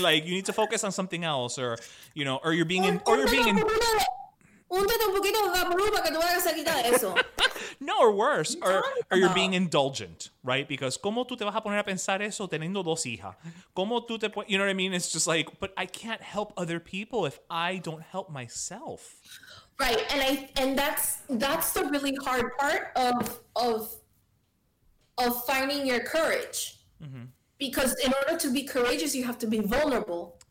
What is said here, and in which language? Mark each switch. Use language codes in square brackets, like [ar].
[en] Like, you need to focus on something else, or, you know, or you're being in. [es] Úntate un poquito de jabón para que tú vayas a quitar eso. [en] No, or worse, or you're being indulgent, right? Because [es] ¿cómo tú te vas a poner a pensar eso teniendo dos hijas? ¿Cómo tú te [en] you know what I mean? It's just like, but I can't help other people if I don't help myself. Right, and that's the really hard part of finding your courage. Mm-hmm. Because in order to be courageous, you have to be vulnerable.